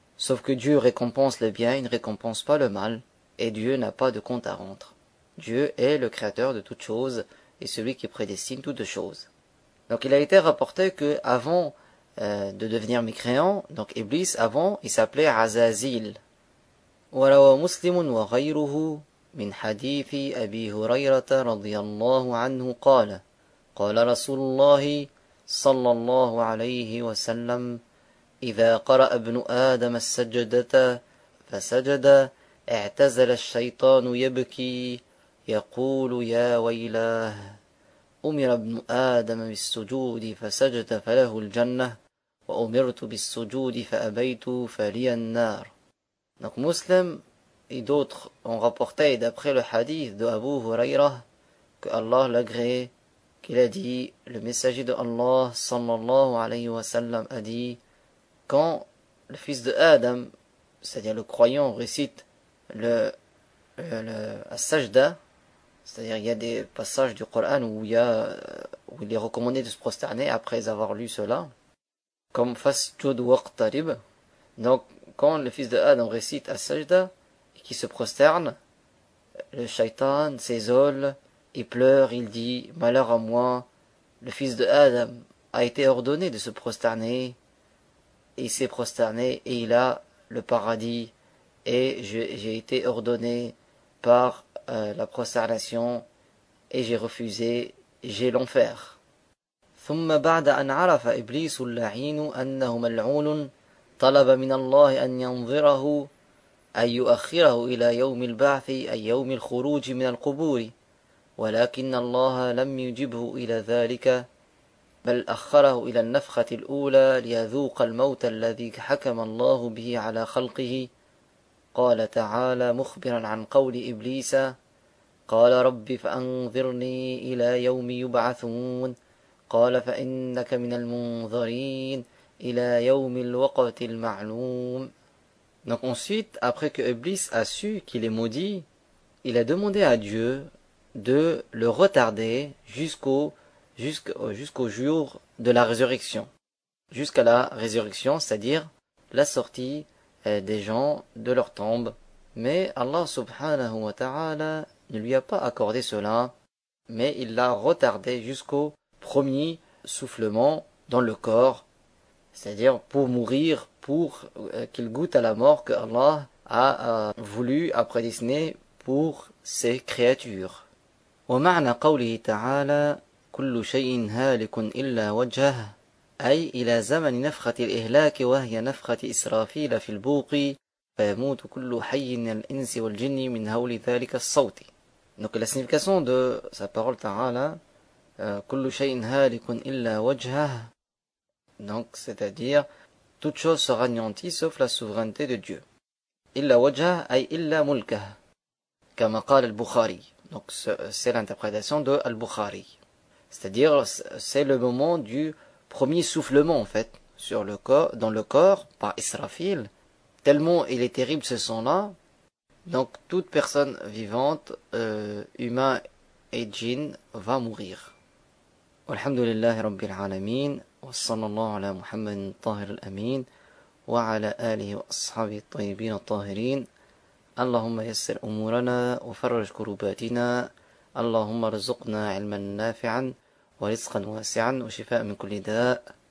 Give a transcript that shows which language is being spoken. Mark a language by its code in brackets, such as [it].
[fr] Sauf que Dieu récompense le bien, il ne récompense pas le mal. Et Dieu n'a pas de compte à rendre. Dieu est le créateur de toutes choses et celui qui prédestine toutes choses. Donc il a été rapporté que avant de devenir mécréant, donc Iblis, avant, il s'appelait Azazil. [ar] وروى مسلم وغيره من حديث أبي هريرة رضي الله عنه قال قال رسول الله صلى الله عليه وسلم إذا قرأ ابن آدم السجدة فسجد اعتزل الشيطان يبكي يقول يا ويلاه أمر ابن آدم بالسجود فسجد فله الجنة وأمرت بالسجود فأبيت فلي النار. [fr] Donc, Muslim et d'autres ont rapporté, d'après le hadith de Abu Huraira, que Allah l'agréé, qu'il a dit, le messager de Allah, sallallahu alayhi wa sallam, a dit, quand le fils de Adam, c'est-à-dire le croyant, récite le as-sajda, c'est-à-dire il y a des passages du Coran où il est recommandé de se prosterner après avoir lu cela, comme [ar] fasjud waqtarib, [fr] donc, quand le fils de Adam récite As-Sajda et qui se prosterne, le shaitan s'isole, il pleure, il dit, malheur à moi, le fils de Adam a été ordonné de se prosterner, et il s'est prosterné et il a le paradis, et j'ai été ordonné par la prosternation, et j'ai refusé, j'ai l'enfer. [ar] ثم بعد أن عرف إبليس اللعين أنه ملعون طلب من الله أن ينظره أن يؤخره إلى يوم البعث أي يوم الخروج من القبور ولكن الله لم يجبه إلى ذلك بل أخره إلى النفخة الأولى ليذوق الموت الذي حكم الله به على خلقه قال تعالى مخبرا عن قول إبليس قال رب فأنظرني إلى يوم يبعثون قال فإنك من المنظرين إلى يوم الوقت المعلوم. [fr] Donc ensuite, après que Iblis a su qu'il est maudit, il a demandé à Dieu de le retarder jusqu'au jour de la résurrection. Jusqu'à la résurrection, c'est-à-dire la sortie des gens de leur tombe. Mais Allah subhanahu wa ta'ala ne lui a pas accordé cela, mais il l'a retardé jusqu'au premier soufflement dans le corps. C'est-à-dire pour mourir, pour qu'il goûte à la mort que Allah a voulu, a prédestiné pour ses créatures. [ar] ومعنى قوله تعالى كل شيء هالك إلا وجهه أي إلى زمن نفخة الإهلاك وهي نفخة إسرافيل في البوق فيموت كل حي من الإنس والجن من هول ذلك الصوت. [fr] Donc la signification de sa parole [ar] تعالى كل شيء هالك إلا وجهه. [fr] Donc, c'est-à-dire, toute chose sera anéantie sauf la souveraineté de Dieu. [ar] Illa wajah ay illa mulkah. [fr] Comme a dit Al-Bukhari. Donc, c'est l'interprétation de Al-Bukhari. C'est-à-dire, c'est le moment du premier soufflement, en fait, sur le corps, dans le corps, par Israfil. Tellement il est terrible ce son-là. Donc, toute personne vivante, humain et djinn, va mourir. [ar] Alhamdulillah Rabbil Alameen. وصلى الله على محمد الطاهر الأمين وعلى آله وأصحابه الطيبين الطاهرين اللهم يسر أمورنا وفرج كرباتنا، اللهم ارزقنا علما نافعا ورزقا واسعا وشفاء من كل داء.